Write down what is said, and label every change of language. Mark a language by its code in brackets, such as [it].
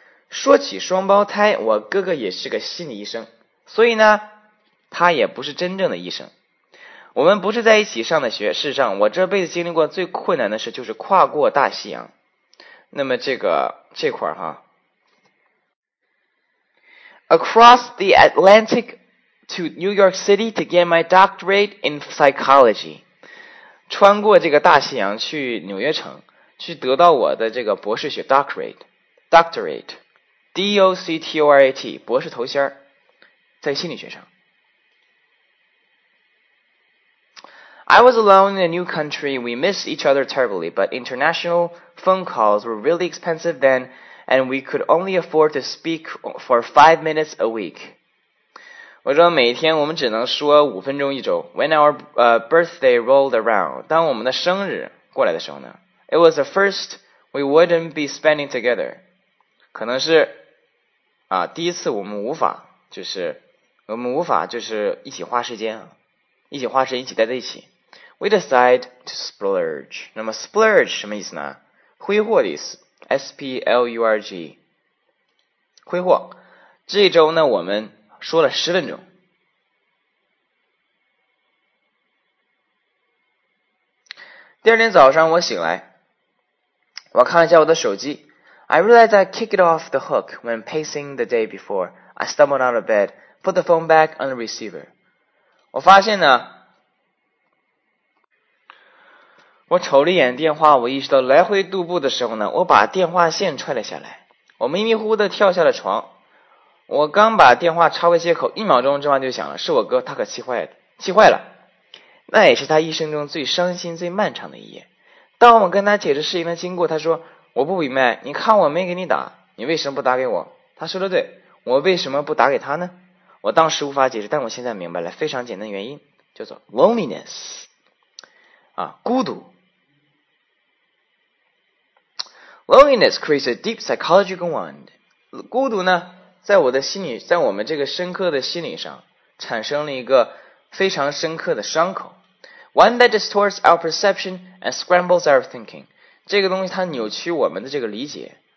[zh] 说起双胞胎，我哥哥也是个心理医生，所以呢，他也不是真正的医生。我们不是在一起上的学，事实上，我这辈子经历过最困难的事就是跨过大西洋。那么这块哈。 [en] Across the Atlantic to New York City to get my doctorate in psychology. [zh] 穿过这个大西洋去纽约城，去得到我的这个博士学 doctorate, 博士头衔，在心理学上。 [en] I was alone in a new country. We missed each other terribly, but international phone calls were really expensive then. And we could only afford to speak for 5 minutes a week. [zh] 我说每天我们只能说五分钟一周。 [en] When our birthday rolled around, [zh] 当我们的生日过来的时候呢 [en] ，It was the first we wouldn't be spending together. [zh] 可能是啊，第一次我们无法就是一起花时间啊，一起花时间一起待在一起。 [en] We decide to splurge. [zh] 那么 splurge 什么意思呢？挥霍的意思。S-P-L-U-R-G 挥霍。这周呢我们说了十分钟。第二天早上我醒来，我看了一下我的手机。 [en] I realized I kicked off the hook when pacing the day before. I stumbled out of bed, put the phone back on the receiver. [zh] 我发现呢，我瞅了一眼电话，我意识到来回踱步的时候呢，我把电话线踹了下来。我迷迷糊糊的跳下了床。我刚把电话插回接口，一秒钟这话就响了，是我哥，他可气坏了。那也是他一生中最伤心、最漫长的一夜。当我跟他解释事情的经过，他说：“我不明白，你看我没给你打，你为什么不打给我？” 他说的对，我为什么不打给他呢？我当时无法解释，但我现在明白了，非常简单的原因，叫做 loneliness。啊，孤独。 [en] Loneliness creates a deep psychological wound. [zh] 孤独呢，在我们这个深刻的心理上，产生了一个非常深刻的伤口。 [en] One that distorts our perception and scrambles our thinking. [zh] 这个东西它扭曲我们的这个理解。